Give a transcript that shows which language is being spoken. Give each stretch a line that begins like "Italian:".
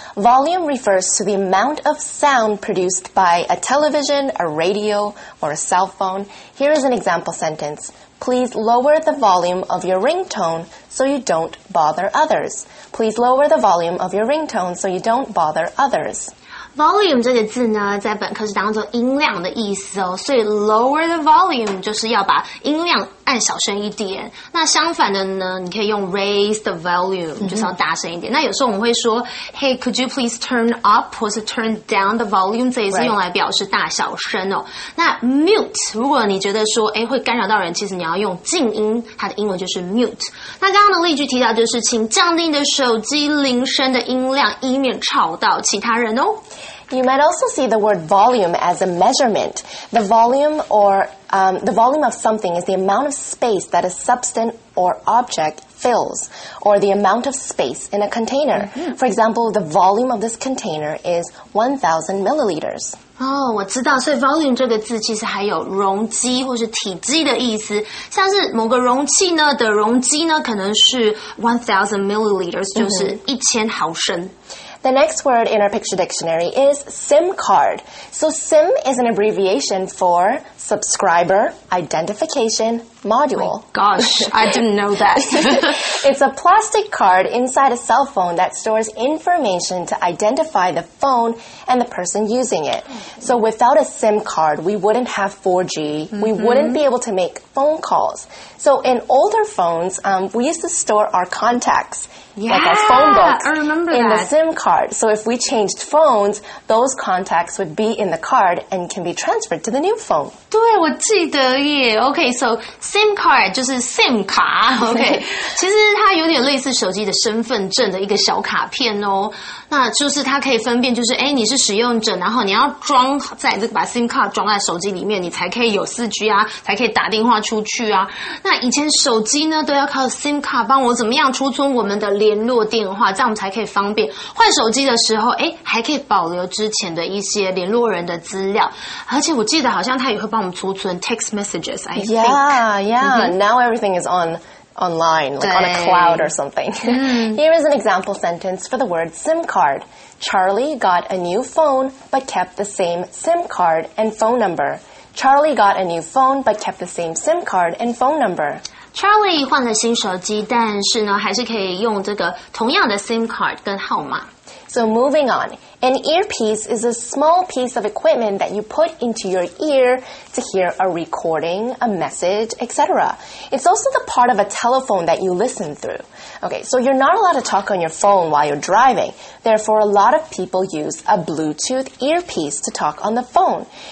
English: Volume refers to the amount of sound produced by a television, a radio, or a cell phone. Here is an example sentence. Please lower the volume of your ringtone so you don't bother others. Please lower the volume of your ringtone so you don't bother others.
Chinese: Volume 这个字呢在本课是当作音量的意思哦，所以
English: lower the volume
Chinese: 就是要把音量按小声一点。那相反的呢，你可以用
English: raise the volume
Chinese: 就是要大声一点。那有时候我们会说
English: Hey, could you please turn up
Chinese: 或是
English: turn down the volume，
Chinese: 这也是用来表示大小声哦。那 mute 如果你觉得说诶会干扰到人，其实你要用静音，它的英文就是 mute。那刚刚的例句提到就是请降低你的手机铃声的音量，以免吵到其他人哦。
English: You might also see the word volume as a measurement. The volume or, the volume of something is the amount of space that a substance or object fills, or the amount of space in a container. Mm-hmm. For example, the volume of this container is 1,000 milliliters.
Chinese: 哦，我知道，所以 volume 这个字其实还有容积或是体积的意思。像是某个容器呢的容积呢，可能是 1,000 milliliters， 就是1000毫升。
English: The next word in our picture dictionary is SIM card. So SIM is an abbreviation for subscriber identification module. Oh my gosh, I didn't know that. It's a plastic card inside a cell phone that stores information to identify the phone and the person using it. So without a SIM card, we wouldn't have 4G. Mm-hmm. We wouldn't be able to make phone calls. So in older phones, we used to store our contacts. Yeah, like our phone books. I remember that. In the SIM card. So if we changed phones, those contacts would be in the card and can be transferred to the new phone.
Chinese: 对，我记得耶。
English: Okay, so
Chinese: SIM card 就是 SIM 卡 OK 其实它有点类似手机的身份证的一个小卡片哦那就是它可以分辨就是诶你是使用者然后你要装在这个把 SIM card 装在手机里面你才可以有 4G 啊才可以打电话出去啊那以前手机呢都要靠 SIM card 帮我怎么样储存我们的联络电话这样我们才可以方便换手机的时候诶还可以保留之前的一些联络人的资料而且我记得好像它也会帮我们储存
English: text messages I think Now everything is online, like on a cloud or something. Here is an example sentence for the word SIM card. Charlie got a new phone, but kept the same SIM card and phone number. Charlie got a new phone, but kept the same SIM card and phone number.
Chinese: Charlie 换了新手机，但是呢，还是可以用这个同样的 SIM card 跟号码。
English: So moving on, an earpiece is a small piece of equipment that you put into your ear to hear a recording, a message, etc. It's also the part of a telephone that you listen through. Okay, so you're not allowed to talk on your phone while you're driving. Therefore, a lot of people use a Bluetooth earpiece to talk on the phone.